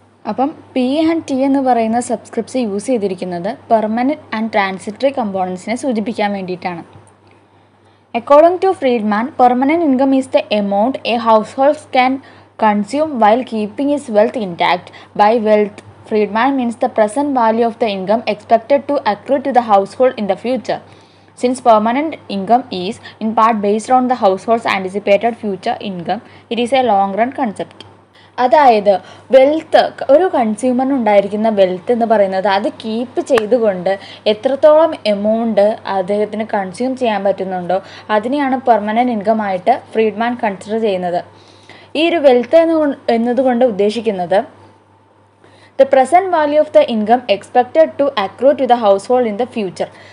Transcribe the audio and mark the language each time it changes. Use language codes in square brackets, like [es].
[ml] അപ്പം P and T എന്ന് പറയുന്ന സബ്സ്ക്രിപ്ഷൻ യൂസ് ചെയ്തിരിക്കുന്നത് പെർമനന്റ് ആൻഡ് ട്രാൻസിറ്ററി കമ്പോണൻസിനെ സൂചിപ്പിക്കാൻ വേണ്ടിയിട്ടാണ്. [en] According to Friedman, permanent income is the amount a households can consume while keeping its wealth intact. By wealth Friedman means the present value of the income expected to accrue to the household in the future. Since permanent income is in part based on the household's anticipated future income, it is a long run concept. [ml] അതായത് wealth, ഒരു കൺസ്യൂമറിനുണ്ടായിരിക്കുന്ന wealth എന്ന് പറയുന്നത് അത് keep ചെയ്തുകൊണ്ട് എത്രത്തോളം amount അദ്ദേഹത്തിന് consume ചെയ്യാൻ പറ്റുന്നുണ്ടോ അതിനെയാണ് പെർമനൻറ്റ് ഇൻകം ആയിട്ട് ഫ്രീഡ്മാൻ കൺസിഡർ ചെയ്യുന്നത്. ഈ ഒരു വെൽത്ത് എന്നതുകൊണ്ട് ഉദ്ദേശിക്കുന്നത് [en] The present value of the income expected to accrue to the household in the future.